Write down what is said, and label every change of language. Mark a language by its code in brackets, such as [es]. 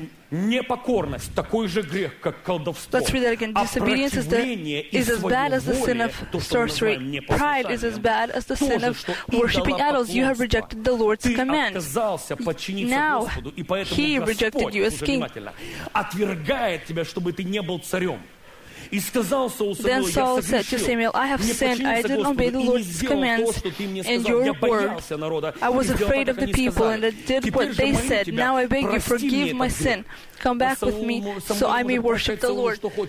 [ru] Непокорность такой же грех, как колдовство. [en] Let's read that again. Disobedience is as bad as the sin of sorcery. Pride is as bad as the sin of worshipping idols. You have rejected the Lord's command. Now he rejected you as king. [ru] Отвергает тебя, чтобы ты не был царем. И сказал Саул Самуилу, [en] Then Saul said to Samuel, I have sinned, I did not obey the Lord's commands and your word. I was afraid of the people and I did what they said. Now I beg you, forgive my sin. Come back with me so I may worship the Lord.